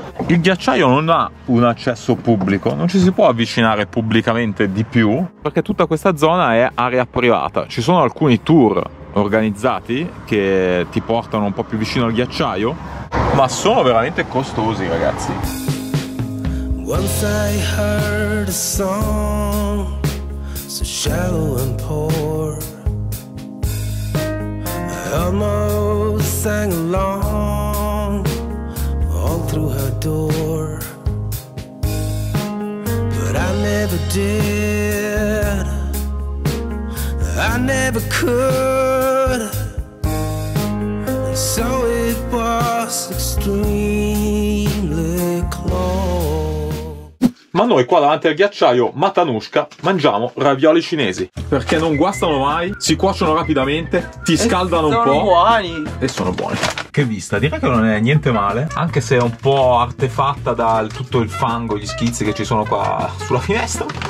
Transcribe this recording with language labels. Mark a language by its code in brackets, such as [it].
[it] Il ghiacciaio non ha un accesso pubblico, non ci si può avvicinare pubblicamente di più, perché tutta questa zona è area privata. Ci sono alcuni tour organizzati che ti portano un po' più vicino al ghiacciaio, ma sono veramente costosi, ragazzi. [en] Once I heard a song so shallow and poor, I almost sang along all through her door, but I never did, I never could. So it was extremely close. [it] Ma noi qua davanti al ghiacciaio Matanushka mangiamo ravioli cinesi, perché non guastano mai, si cuociono rapidamente, ti scaldano un po'. Sono buoni. E sono buoni. Che vista, direi che non è niente male, anche se è un po' artefatta dal tutto il fango, gli schizzi che ci sono qua sulla finestra.